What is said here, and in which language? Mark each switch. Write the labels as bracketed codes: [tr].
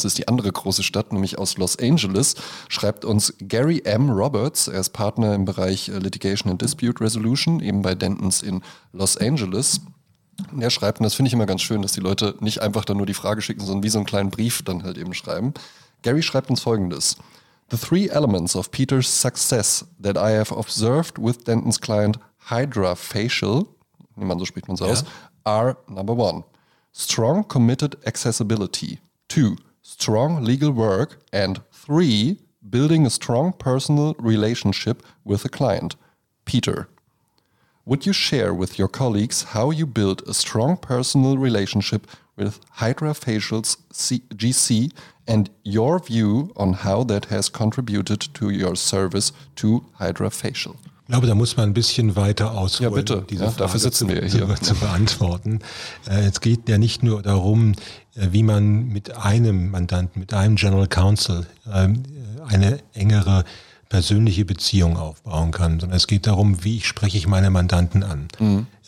[de] Es ist die andere große Stadt, nämlich aus Los Angeles, schreibt uns Gary M. Roberts. Er ist Partner im Bereich Litigation and Dispute Resolution, eben bei Dentons in Los Angeles. Er schreibt, und das finde ich immer ganz schön, dass die Leute nicht einfach dann nur die Frage schicken, sondern wie so einen kleinen Brief dann halt eben schreiben. Gary schreibt uns Folgendes. [en] The three elements of Peter's success that I have observed with Dentons client Hydra Facial, [de] nehmen wir an, so spricht man es aus, [en] are number one, strong committed accessibility, two, strong legal work, and three, building a strong personal relationship with a client. Peter, would you share with your colleagues how you build a strong personal relationship with Hydra Facial's GC and your view on how that has contributed to your service to Hydra Facial? [de] Ich glaube, da muss man ein bisschen weiter ausholen, ja, bitte. Diese Frage dafür sitzen wir hier. Zu beantworten. Es geht ja nicht nur darum, wie man mit einem Mandanten, mit einem General Counsel eine engere persönliche Beziehung aufbauen kann, sondern es geht darum, wie spreche ich meine Mandanten an. Mhm.